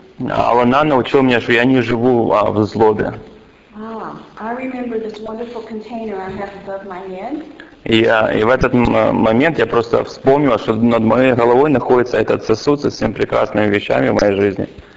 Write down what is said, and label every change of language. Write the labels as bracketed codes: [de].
[ru] Алланан научил меня, что я не живу в злобе. [en] I remember this wonderful container I have above my head. [ru] И в этот момент я просто вспомнил, что над моей головой находится этот сосуд со всеми прекрасными вещами в моей жизни.